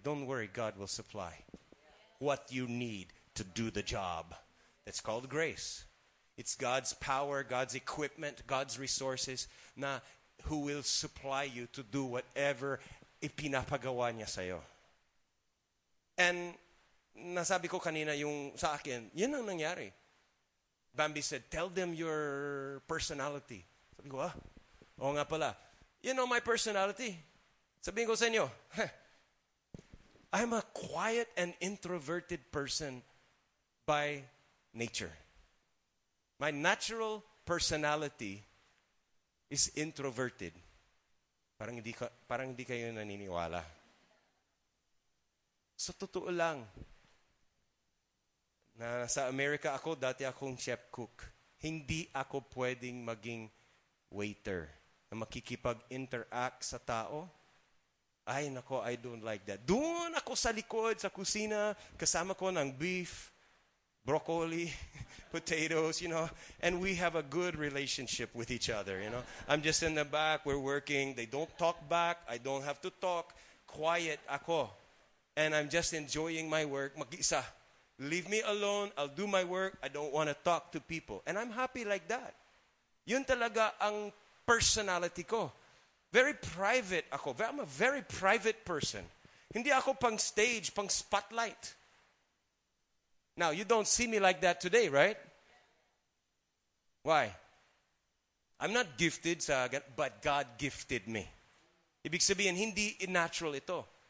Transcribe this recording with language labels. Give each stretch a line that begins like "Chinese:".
English: Don't worry, God will supply what you need to do the job. That's called grace. It's God's power, God's equipment, God's resources, na who will supply you to do whatever
Filipino: ipinapagawa niya sa'yo. And nasabi ko kanina yung sa akin, yun ang nangyari.
English: Bambi said, tell them your personality.
Filipino: Sabi ko, ah, o nga pala.
English: You know my personality.
Filipino: Sabi ko sa inyo,
English: I'm a quiet and introverted person by nature. My natural personality is introverted.
Filipino: Parang hindi kayo naniniwala. So, totoo lang. Na sa America ako, dati akong chef cook. Hindi ako pwedeng maging waiter na makikipag-interact sa tao. Ay, nako,
English: I don't like that.
Filipino: Doon ako sa likod, sa kusina, kasama ko ng beef, broccoli, potatoes,
English: you know. And we have a good relationship with each other, you know. I'm just in the back, we're working. They don't talk back. I don't have to talk.
Filipino: Quiet ako.
English: And I'm just enjoying my work.
Filipino: Mag-isa.
English: Leave me alone. I'll do my work. I don't want to talk to people. And I'm happy like that.
Filipino: Yun talaga ang personality ko. Very private ako.
English: I'm a very private person.
Filipino: Hindi ako pang stage, pang spotlight.
English: Now, you don't see me like that today, right? Why? I'm not gifted, but God gifted me.
Filipino: Ibig sabihin, hindi natural ito.